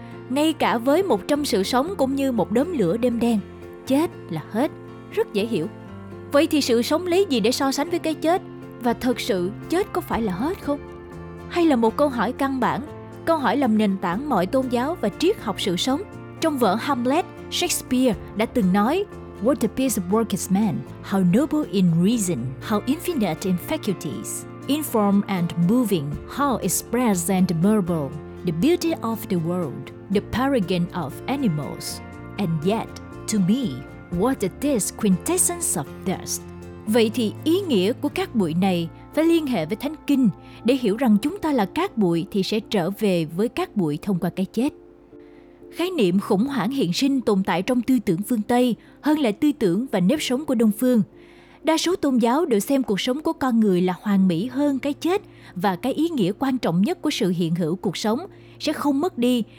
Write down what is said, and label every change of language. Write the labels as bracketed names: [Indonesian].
[Vietnamese] Ngay cả với 100 sự sống cũng như một đốm lửa đêm đen, chết là hết, rất dễ hiểu. Vậy thì sự sống lấy gì để so sánh với cái chết? Và thật sự chết có phải là hết không? Hay là một câu hỏi căn bản, câu hỏi làm nền tảng mọi tôn giáo và triết học sự sống. Trong vở Hamlet, Shakespeare đã từng nói: [English] "What a piece of work is man, how noble in reason, how infinite in faculties, in form and moving, how express and marble, the beauty of the world, the paragon of animals, and yet, to me, what is this quintessence of dust?" [Vietnamese] Vậy thì ý nghĩa của cát bụi này phải liên hệ với Thánh Kinh để hiểu rằng chúng ta là cát bụi thì sẽ trở về với cát bụi thông qua cái chết. Khái niệm khủng hoảng hiện sinh tồn tại trong tư tưởng phương Tây hơn là tư tưởng và nếp sống của Đông Phương. Đa số tôn giáo đều xem cuộc sống của con người là hoàn mỹ hơn cái chết và cái ý nghĩa quan trọng nhất của sự hiện hữu cuộc sống sẽ không mất đi.